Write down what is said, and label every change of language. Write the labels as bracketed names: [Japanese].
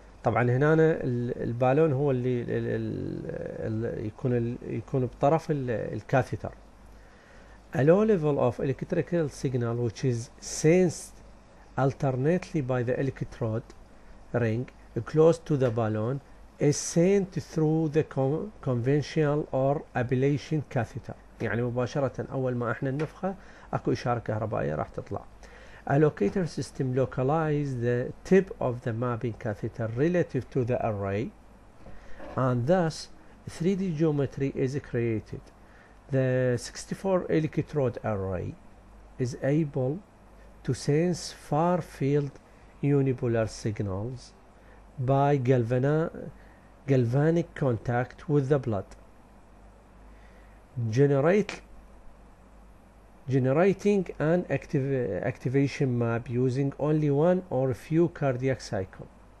[Arabic] طبعا هنا البالون هو اللي يكون بطرف الكاثيتر. [English] A low level of electrical signal which is sensed alternately by the electrode ring close to the balloon is sent through the conventional or ablation catheter. [Arabic] يعني مباشرة أول ما احنا النفخة اكو إشارة كهربائية راح تطلع. [English] A locator system localizes the tip of the mapping catheter relative to the array and thus 3D geometry is created. The 64 electrode array is able to sense far field unipolar signals by galvanic contact with the blood, generating an activation map using only one or a few cardiac cycles.